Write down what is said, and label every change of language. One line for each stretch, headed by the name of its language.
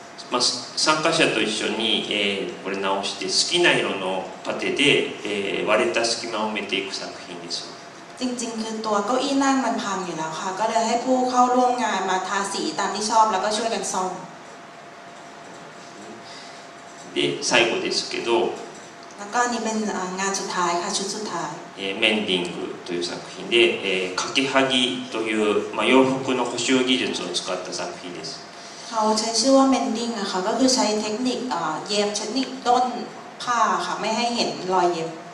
Japanese: まあ、参加者と一緒に、これ直して好きな色のパテで、割れた隙間を埋めていく作品です。
Thai: 実際、ตัวเก้าอี้นั่งมันพังอยู่แล้วค่ะก็เลยให้ผู้เข้าร่วมงานมาทาสีตามที่ชอบแล้วก็ช่วยกันซ่อม。
Japanese: で、最後ですけど。
Thai: แล้วก็นี่เป็นงานสุดท้ายค่ะชุดสุดท้าย。
Japanese: メンディングという作品で、かけはぎという、まあ、洋服の補修技術を使った作品です。
Thai: เขาใช้ชื่อว่า mending ค่ะก็คือใช้เทคนิคเย็บเทคนิคต้นผ้าค่ะไม่ให้เห็นรอยเย็บ